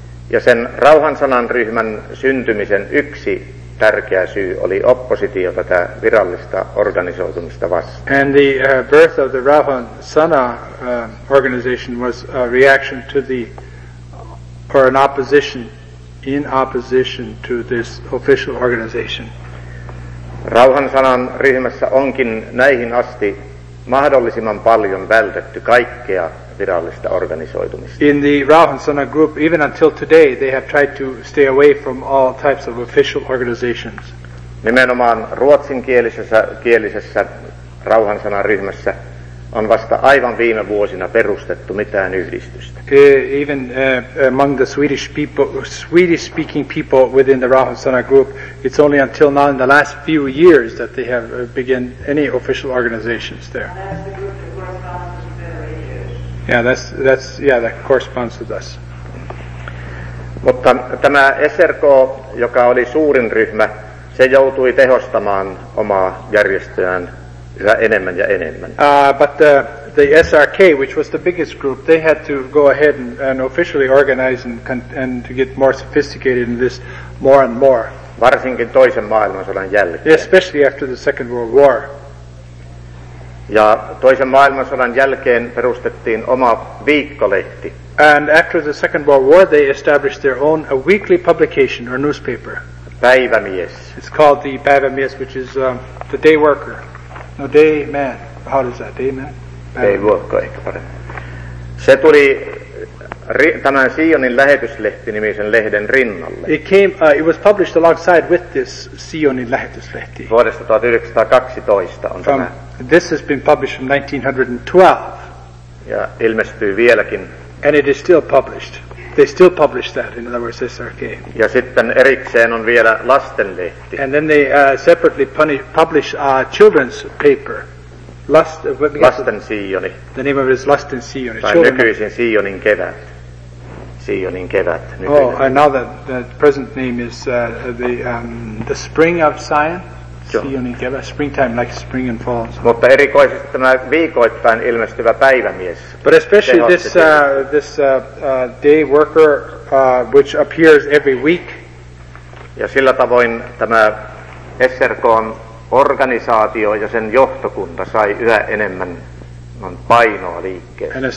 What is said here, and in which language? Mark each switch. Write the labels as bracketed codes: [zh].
[fi] Ja sen rauhansanan ryhmän syntymisen yksi tärkeä syy oli oppositio tätä virallista organisoitumista vastaan. [en] And the birth of the Rauhansana organization was a reaction to the or an opposition in opposition to this official organization. [fi] Rauhansanan ryhmässä onkin näihin asti mahdollisimman paljon vältetty kaikkea virallista organisoitumista. [en] In the Rauhansana group, even until today, they have tried to stay away from all types of official organizations. [fi] Nimenomaan ruotsinkielisessä Rauhansana ryhmässä on vasta aivan viime vuosina perustettu mitään yhdistystä. [en] Even among the Swedish-speaking people within the Rauhansana group, it's only until now in the last few years that they have begun any official organizations there. Yeah, that corresponds with us. [fi] Mutta tämä SRK, joka oli suurin ryhmä, se joutui tehostamaan omaa järjestöään yhä enemmän ja enemmän. [en] But the SRK, which was the biggest group, they had to go ahead and officially organize and to get more sophisticated in this more and more. [fi] Varsinkin toisen maailmansodan jälkeen. [en] Especially after the Second World War. [fi] Ja toisen maailmansodan jälkeen perustettiin oma viikkolehti. [en] And after the Second World War, they established their own a weekly publication or newspaper. [fi] Päivämies. [en] It's called the Päivämies, which is the day worker. No, day man. How does that? Day man? Day worker, [fi] ehkä paremmin. Se tuli tämän Sionin lähetyslehti nimisen lehden rinnalle. [en] It was published alongside with this Sionin lähetyslehti. [fi] Vuodesta 1912 on tämä. [en] This has been published in 1912. [fi] Ja ilmestyy vieläkin. [en] And it is still published. They still publish that, in other words, SRK. [fi] Ja sitten erikseen on vielä lastenlehti. [en] And then they separately publish a children's paper. [fi] Lasten Sioni. [en] The name of it is Lasten Sioni. [fi] Tai nykyisin Sionin kevät. Sionin kevät. [en] Oh, and now the present name is the Spring of Zion. Sionin kevät, springtime, like spring and fall. [fi] Mutta erikoisesti tämä viikoittain ilmestyvä Päivämies. [en] But especially this day worker, which appears every week. [fi] Ja sillä tavoin tämä SRK:n organisaatio ja sen johtokunta sai yhä enemmän painoa liikkeelle.